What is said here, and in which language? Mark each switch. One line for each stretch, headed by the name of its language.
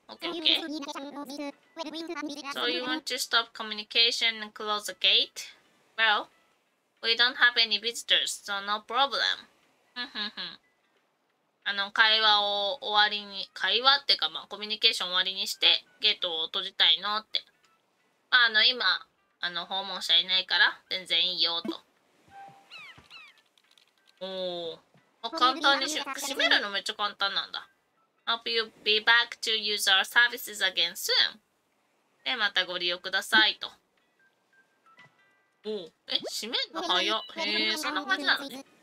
English: OK, OK.So you want to stop communication and close the gate?Well, we don't have any visitors, so no problem.
Japanese: あの、会話を終わりに、会話っていうか、まあ、コミュニケーション終わりにして、ゲートを閉じたいのって。まあ、あの、今、あの、訪問者いないから、全然いいよ、と。おー。あ、簡単に閉めるのめっちゃ簡単なんだ。
English: Hope you be back to use our services again soon.
Japanese: で、またご利用ください、と。おー。え、閉めるの早っ。へぇ、そんな感じなのね。